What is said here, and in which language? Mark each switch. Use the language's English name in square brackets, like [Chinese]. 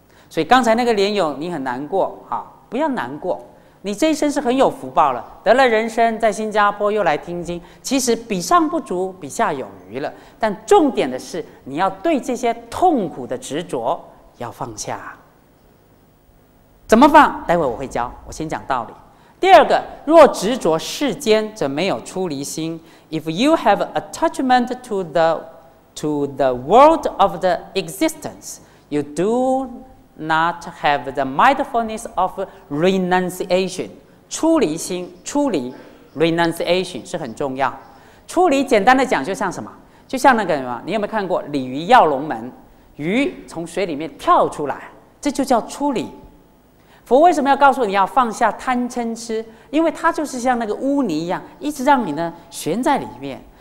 [Chinese] 所以刚才那个莲友你很难过，好，不要难过，你这一生是很有福报了，得了人生，在新加坡又来听经，其实比上不足，比下有余了。但重点的是，你要对这些痛苦的执着要放下。怎么放？待会我会教，我先讲道理。第二个，若执着世间，则没有出离心。 [English] If you have attachment to the world of the existence, you do not have the mindfulness of renunciation. [Chinese] 出离心，出离 renunciation 是很重要。出离简单的讲就像什么，就像那个什么，你有没有看过鲤鱼跃龙门，鱼从水里面跳出来，这就叫出离。佛为什么要告诉你要放下贪嗔痴？因为它就是像那个污泥一样，一直让你呢悬在里面。